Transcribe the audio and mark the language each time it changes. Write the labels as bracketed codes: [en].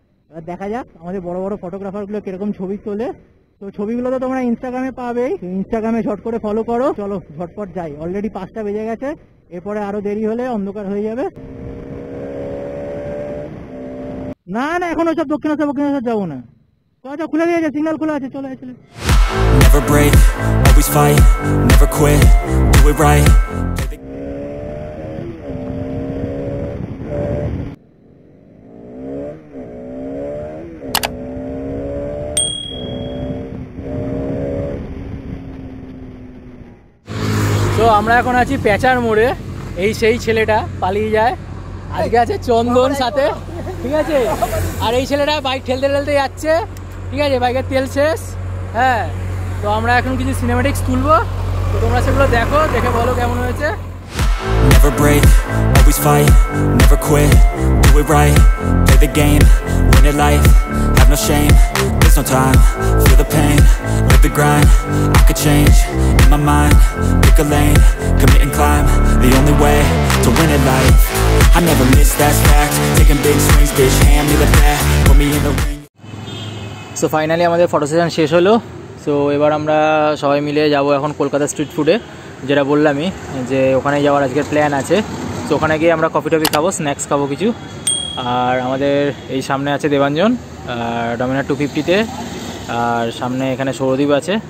[bn] এবার দেখা যাক আমাদের বড় বড় ফটোগ্রাফারগুলো কিরকম ছবি তোলে। তো ছবিগুলো তো তোমরা ইনস্টাগ্রামে পাবেই, ইনস্টাগ্রামে ঝট করে ফলো করো। চলো ঝটপট যাই, অলরেডি 5টা বেজে গেছে, এরপরে আরো দেরি হলে অন্ধকার হয়ে যাবে। না না এখন ওসব দক্ষিণেশ্বর যাবো না, কথা খুলে দিয়েছে, সিগন্যাল খুলে আছে, চলে চলে। [en] Never break, always fight, never quit, do it right. [bn] তো আমরা এখন আছি প্যাচার মোড়ে, এই সেই ছেলেটা পালিয়ে যায়, আজকে আছে চন্দন সাথে, ঠিক আছে। আর এই ছেলেটা বাইক ঠেলতে ঠেলতে যাচ্ছে, ঠিক আছে, বাইকের তেল শেষ। হ্যাঁ, তো আমরা এখন কিছু সিনেমেটিক্স তুলবো, তো তোমরা সেগুলো দেখো, দেখে বলো কেমন হয়েছে। [en] Never break, always fight, never quit, do it right, play the game, win it life, have no shame, there's no time, feel the pain, let the grind, I could change, in my mind, pick a lane, commit and climb, the only way, to win it life, I never miss that fact, taking big swings, bitch, hand me the bat, put me in the ring. So finally, [bn] আমাদের photo session শেষ হলো। So এবার আমরা সবাই মিলে যাব এখন Kolkata street ফুডে, যেটা বললামই যে ওখানে যাওয়ার আজকের প্ল্যান আছে। সো ওখানে গিয়ে আমরা কফি টফি খাবো, স্ন্যাক্স খাবো কিছু। আর আমাদের এই সামনে আছে দেবাঞ্জন ডমিনার 250-তে, আর সামনে এখানে সৌরদীপ আছে।